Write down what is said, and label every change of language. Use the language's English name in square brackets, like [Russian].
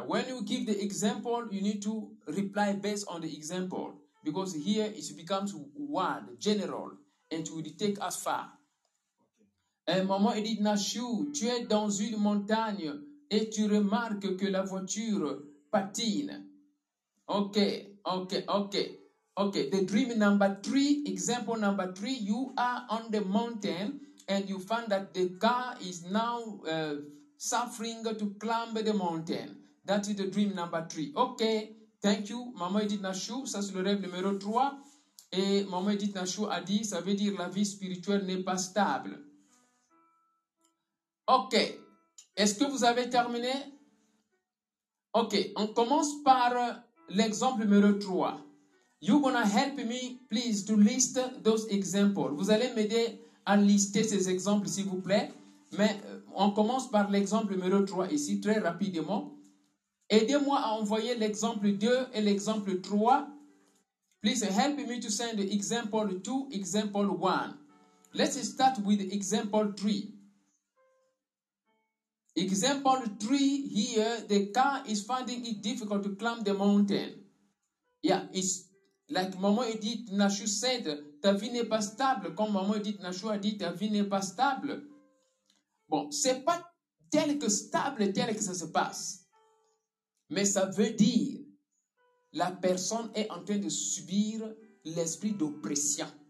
[English] When you give the example, you need to reply based on the example. Because here it becomes one, general, and it will take us far. Okay. [French] Maman Edith Nashu, tu es dans une montagne et tu remarques que la voiture patine. Ok. [English] The dream number 3, example number 3, you are on the mountain and you find that the car is now suffering to climb the mountain. That is the dream number 3. Ok, thank you. [French] Maman Edith Nashu, ça c'est le rêve numéro 3. Et Maman Edith Nashu a dit, ça veut dire la vie spirituelle n'est pas stable. Ok, est-ce que vous avez terminé? Ok, on commence par l'exemple numéro 3. [English] You're gonna help me, please, to list those examples. [French] Vous allez m'aider à lister ces exemples, s'il vous plaît. Mais on commence par l'exemple numéro 3 ici, très rapidement. Aidez-moi à envoyer l'exemple 2 et l'exemple 3. [English] Please help me to send example 2, example 1. Let's start with example 3. Example 3 here, the car is finding it difficult to climb the mountain. Yeah, it's like Maman Edith Nashu said, [French] ta vie n'est pas stable. Comme Maman Edith Nashu a dit, ta vie n'est pas stable. Bon, c'est pas tel que stable, tel que ça se passe. Mais ça veut dire, la personne est en train de subir l'esprit d'oppression.